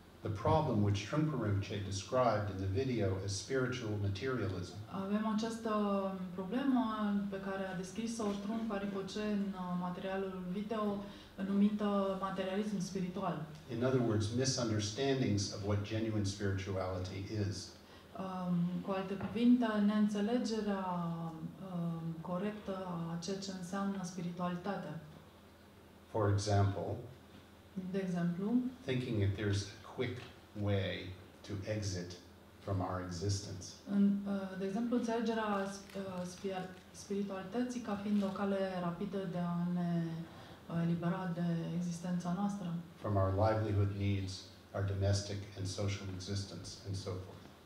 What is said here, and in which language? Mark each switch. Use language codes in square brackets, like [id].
[en] The problem which Trungpa Rinpoche described in the video as spiritual materialism. [ro] Avem această problemă pe care a descris-o Trungpa Rinpoche în materialul video, numită materialism spiritual. [en] In other words, misunderstandings of what genuine spirituality is. [ro] Cu alte cuvinte, neînțelegerea corectă a ceea ce înseamnă spiritualitate. [en] For example, [ro] de exemplu, [en] thinking that there's a quick way to exit from our existence. [ro] De exemplu, înțelegerea spiritualității ca fiind o cale rapidă de a ne elibera de existența noastră. [en] From our livelihood needs, our domestic and social existence, and so forth.